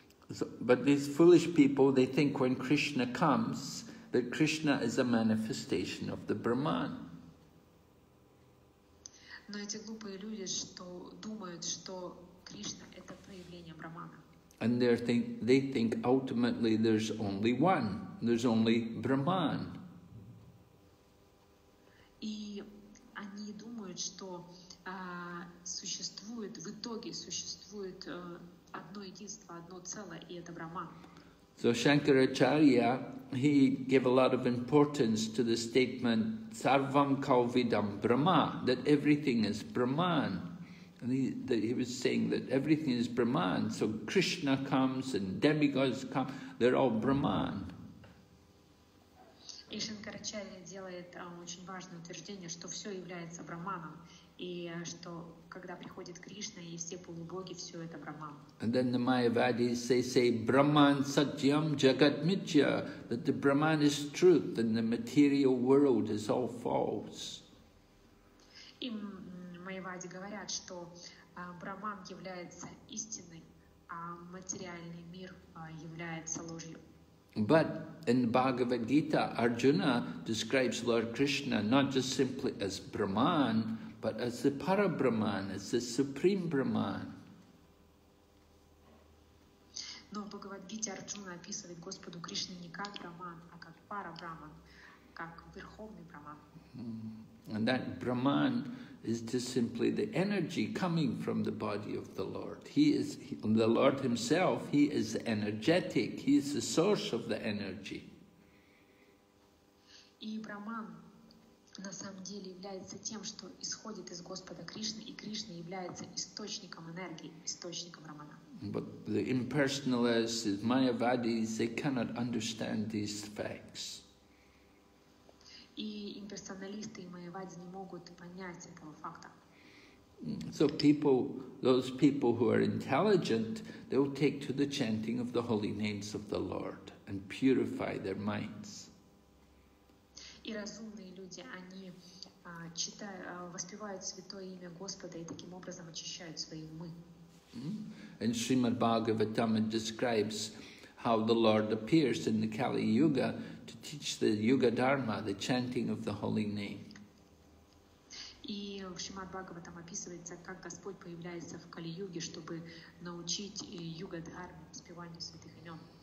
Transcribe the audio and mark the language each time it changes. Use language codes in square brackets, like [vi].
[en] So, but these foolish people, they think when Krishna comes, that Krishna is a manifestation of the Brahman. [ru] Но эти глупые люди, что думают, что Кришна — это проявление Брахмана. [en] And they think ultimately there's only one, there's only Brahman. [ru] И они думают, что существует, в итоге существует одно единство, одно целое, и это Брахман. [en] So Shankaracharya, he gave a lot of importance to the statement [sa] Sarvam Kauvidam Brahma, [en] that everything is Brahman. And he was saying that everything is Brahman. So Krishna comes and demigods come, they're all Brahman. [ru] И Шанкарачарья делает очень важное утверждение, что все является Брахманом. И что когда приходит Кришна и все полубоги, все это Брахман. [en] And then the Mayavadis say [sa] Brahman Satyam Jagat Mitya, [en] that the Brahman is truth and the material world is all false. [ru] И Майявади говорят, что Брахман является истиной, а материальный мир является ложью. [en] But in Bhagavad Gita, Arjuna describes Lord Krishna not just simply as Brahman, but as the Parabrahman, as the Supreme Brahman. [ru] Но в Бхагавад-гите Арджуна описывает Господу Кришне не как Брахман, а как Парабрахман, как Верховный Брахман. [en] And that Brahman is just simply the energy coming from the body of the Lord. He is the Lord Himself, He is energetic, He is the source of the energy. [ru] И Брахман на самом деле является тем, что исходит из Господа Кришны, и Кришна является источником энергии, источником Брахмана. [en] But the impersonalists, the Mayavadis, they cannot understand these facts. [ru] И имперсоналисты, и Майявади не могут понять этого факта. [en] So people, those people who are intelligent, they will take to the chanting of the holy names of the Lord and purify their minds. [ru] И разумные люди, они читают, воспевают святое имя Господа и таким образом очищают свои умы. [en] And Srimad Bhagavatam describes how the Lord appears in the Kali Yuga to teach the Yuga Dharma, the chanting of the holy name. [ru] И в Шримад Бхагаватам описывается, как Господь появляется в Кали Юге, чтобы научить Юга Дхарме, воспеванию святых имен.